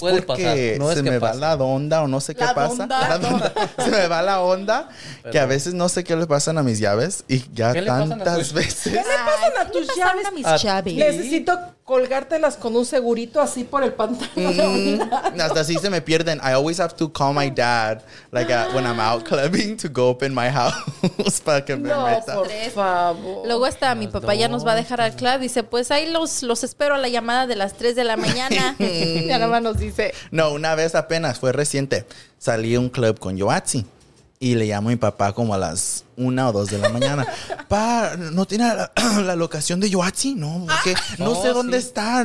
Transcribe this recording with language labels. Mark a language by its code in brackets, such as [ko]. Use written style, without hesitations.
[es] puede pasar. No se es que me pase va la onda o no sé la qué onda pasa. Se me va la onda. Perdón. Que a veces no sé qué le pasan a mis llaves y ya tantas veces. ¿Qué le pasan a tus llaves? ¿Qué le pasan a mis llaves? Necesito colgártelas con un segurito así por el pantalón. Hasta así se me pierden. [en] I always have to call my dad like when I'm out clubbing to go open my house [es] para que me no, meta. Por favor. Luego hasta mi papá ya nos va a dejar al club. Dice, pues ahí los espero a la llamada de las 3 de la mañana. Ya nada más nos dice. No, una vez apenas, fue reciente, salí a un club con Yoatsi. Y le llamo a mi papá como a las 1 o 2 de la mañana. Pa, ¿no tiene la locación de Yoatsi? No, porque no sé dónde sí está.